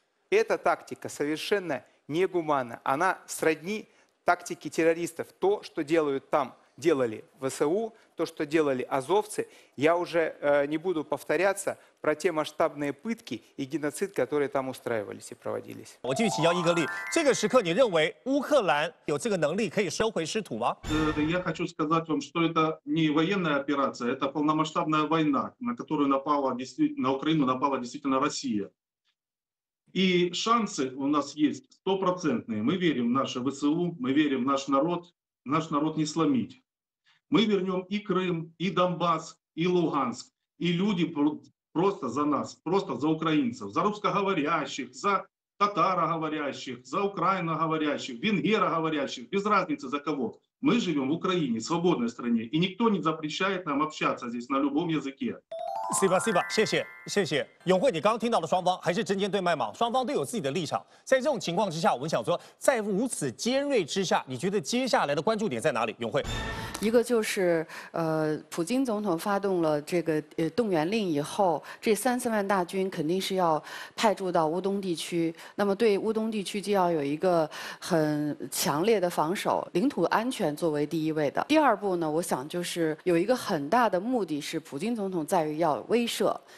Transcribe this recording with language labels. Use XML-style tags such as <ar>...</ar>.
<ru>Эта тактика совершенно негуманна. Она сродни тактике террористов. То, что делают там, делали ВСУ, то, что делали азовцы, я уже не буду повторяться про те масштабные пытки и геноцид, которые там устраивались и проводились.</ru> <zh>我继续请教伊格利，这个时刻你认为乌克兰有这个能力可以收回失土吗？</zh> <ru>Я хочу сказать вам, что это не военная операция, это полномасштабная война, на которую напала на Украину напала действительно Россия. И шансы у нас есть стопроцентные. Мы верим в наше ВСУ, мы верим в наш народ. Наш народ не сломить. Мы вернем и Крым, и Донбасс, и Луганск. И люди просто за нас, просто за украинцев, за русскоговорящих, за татароговорящих, за украиноговорящих, венгероговорящих, без разницы за кого. Мы живем в Украине, в свободной стране, и никто не запрещает нам общаться здесь на любом языке. Спасибо,</ru> <zh>谢谢永慧，你刚刚听到的双方还是针尖对麦吗？双方都有自己的立场，在这种情况之下，我们想说，在如此尖锐之下，你觉得接下来的关注点在哪里？永慧。一个就是，普京总统发动了这个动员令以后，这三四万大军肯定是要派驻到乌东地区。那么对乌东地区就要有一个很强烈的防守，领土安全作为第一位的。第二步呢，我想就是有一个很大的目的是普京总统在于要威慑。</zh>